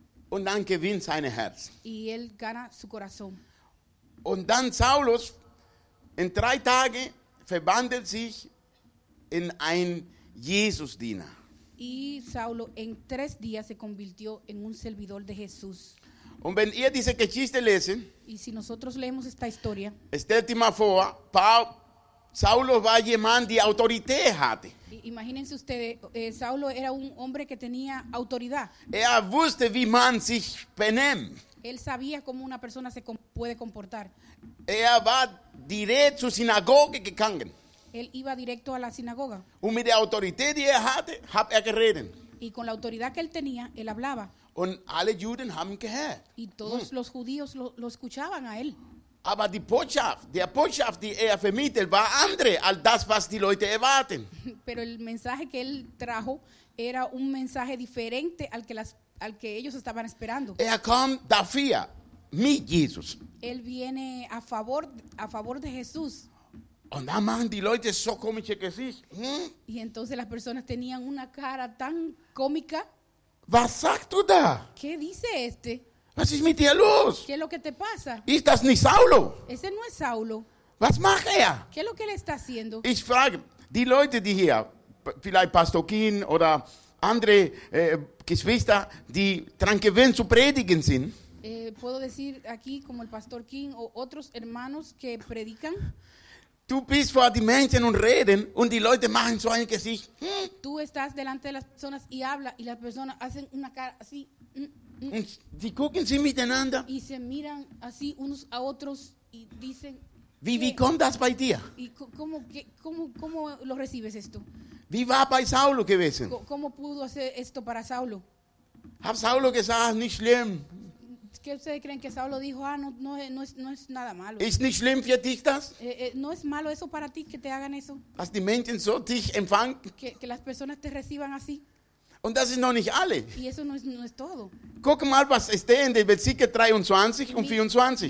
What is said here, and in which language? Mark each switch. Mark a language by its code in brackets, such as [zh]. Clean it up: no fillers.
[de] Und dann gewinnt sein Herz. [es] Y él gana su corazón. [de] Und dann Saulus in 3 Tagen verwandelt sich in ein Jesusdiener. [es] Y Saulo en 3 días se convirtió en un servidor de Jesús. [de] Und wenn ihr diese Geschichte lesen, [es] y si nosotros leemos esta historia, [de] stellt ihr mal vor, Saulo war jemand, die Autorität hatte. [es] Imagínense ustedes, Saulo era un hombre que tenía autoridad. [de] Er wusste, wie man sich benimmt. [es] Él sabía cómo una persona se puede comportar. [de] Er war direkt zur Synagoge gegangen. [es] Él iba directo a la sinagoga. [de] Und mit der Autorität, die hatte, hab geredet. [es] Y con la autoridad que él tenía, él hablaba. [de] Und alle Juden haben gehört. [es] Y todos los judíos lo escuchaban a él. [de] Aber die Botschaft, die er vermittelt, war andere als das, was die Leute erwarten. [es] Pero el mensaje que él trajo era un mensaje diferente al que las al que ellos estaban esperando. [de] Er kommt dafür, mit Jesus. [es] Él viene a favor de Jesús. [de] Und dann machen die Leute so komische Gesicht. [es] Y entonces las personas tenían una cara tan cómica. [de] Was sagst du da? [es] ¿Qué dice este? [de] Was ist mit dir los? [es] ¿Qué es lo que te pasa? [de] Ist das nicht Saulo? [es] Ese no es Saulo. [de] Was macht er? [es] ¿Qué es lo que él está haciendo? [de] Ich frage die Leute, die hier, vielleicht Pastor Kim oder andere Geschwister, die dran gewöhnt zu predigen sind. [es] Puedo decir aquí como el Pastor Kim o otros hermanos que predican. [de] Du bist vor die Menschen und reden und die Leute machen so ein Gesicht. [es] Tú estás delante de las personas y habla y las personas hacen una cara así. [de] Und die gucken sie miteinander. [es] Y se miran así unos a otros y dicen. [de] Wie kommt das bei dir? [es] Y cómo lo recibes esto? [de] Wie war bei Saulo gewesen? [es] ¿Cómo pudo hacer esto para Saulo? [de] Hab Saulo gesagt, nicht schlimm. [es] ¿Qué ustedes creen que Saulo dijo? Ah, no es nada malo. [de] Ist nicht schlimm für dich das? [es] No es malo eso para ti que te hagan eso. [de] Dass die Menschen so dich empfangen. [es] Que las personas te reciban así. [de] Und das ist noch nicht alle. [es] Y eso no es todo. [de] Guck mal, was es steht in dem Versículo 23 und 24.